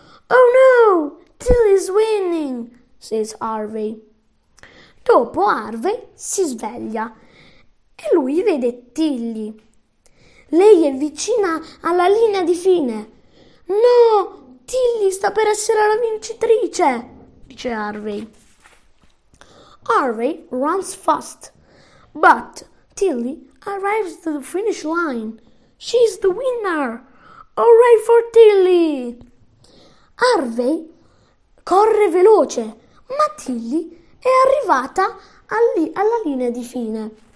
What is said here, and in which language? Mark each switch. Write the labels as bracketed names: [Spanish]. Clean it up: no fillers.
[English] Oh no, Tilly is winning, says Arve. [Italian] Dopo Arve si sveglia e lui vede Tilly. Lei è vicina alla linea di fine. No, Tilly sta per essere la vincitrice, dice Arve. [English] Arve runs fast, but Tilly arrives to the finish line. She's the winner. Hooray for Tilly! [Italian] Arve corre veloce, ma Tilly è arrivata alla linea di fine.